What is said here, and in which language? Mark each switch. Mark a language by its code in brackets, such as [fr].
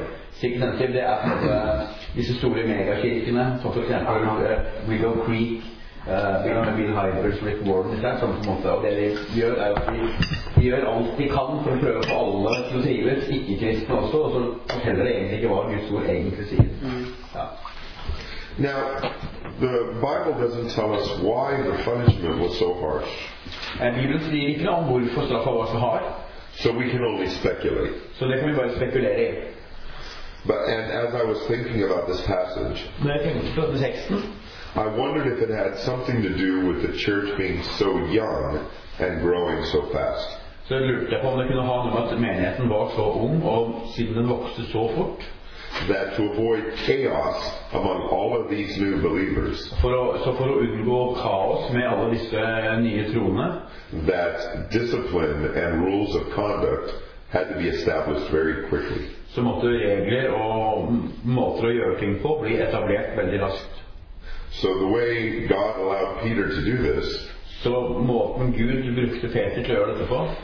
[no] Signative, det disse store megakirkene, som for eksempel Willow Creek, Bill Hybers, Rick Warren, det sånn på en måte, og det de gjør at de gjør alt de kan for å prøve på alle som sier det, ikke kristne også, og så forteller det egentlig ikke hva Guds ord egentlig sier. Ja. [en] Now, the Bible doesn't tell us why the punishment was so harsh. [no] Bibelen sier ikke om hvorfor straffen var så hard. [en] So we can only speculate. [no] Så det kan vi bare spekulere. [en] But and as I was thinking about this passage, I wondered if it had something to do with the church being so young and growing so fast. [no] Så jeg lurte på om det kunne ha noe med at menigheten var så ung og siden den vokste så fort. [en] That to avoid chaos among all of these new believers. [no] For å unngå kaos med alle disse nye troende. [en] That discipline and rules of conduct had to be established very quickly. [no] Så måtte regler og måter å gjøre ting på bli etablert veldig raskt. [en] So the way God allowed Peter to do this. [no] Så måten Gud brukte Peter til å gjøre dette på.